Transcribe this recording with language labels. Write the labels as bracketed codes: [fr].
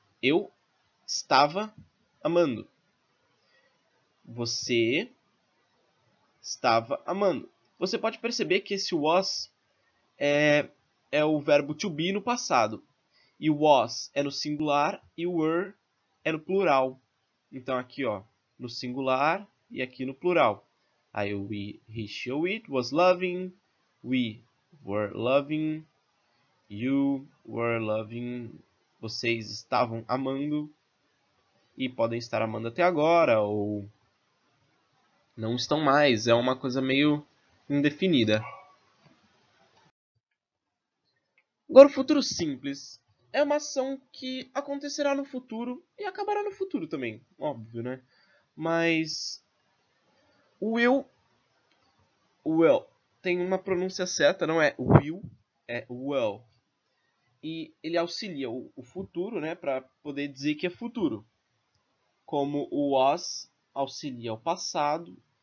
[pt] Eu estava amando. Você estava amando. Você pode perceber que esse was é o verbo to be no passado. E o was é no singular e o were é no plural. Então aqui, ó, no singular e aqui no plural. Aí o [en] we, he, she, or it was loving. We were loving. You were loving. [pt] Vocês estavam amando e podem estar amando até agora ou Não estão mais, é uma coisa meio indefinida. Agora, o futuro simples é uma ação que acontecerá no futuro e acabará no futuro também, óbvio, né? Mas will tem uma pronúncia certa, não é will, é will. E ele auxilia o futuro, né, para poder dizer que é futuro. Como o was auxilia o passado.